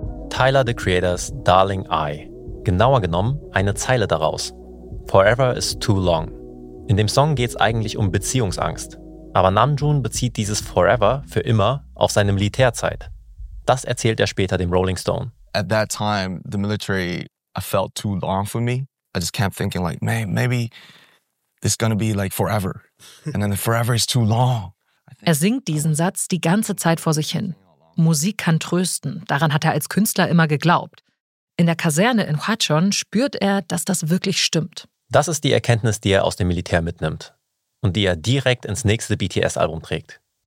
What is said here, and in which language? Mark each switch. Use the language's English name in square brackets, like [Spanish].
[English] Tyler, the Creator's Darling I. [German] Genauer genommen eine Zeile daraus. [English] Forever is too long. [German] In dem Song geht es eigentlich um Beziehungsangst. Aber Namjoon bezieht dieses Forever für immer auf seine Militärzeit. Das erzählt er später dem Rolling Stone. [English] At that time, the military, I felt too long for me. I just kept thinking like, maybe it's gonna be like forever. And then forever is too long. [German] Er singt diesen Satz die ganze Zeit vor sich hin. Musik kann trösten, daran hat er als Künstler immer geglaubt. In der Kaserne in Hwachon spürt er, dass das wirklich stimmt. Das ist die Erkenntnis, die er aus dem Militär mitnimmt und die er direkt ins nächste BTS-Album trägt.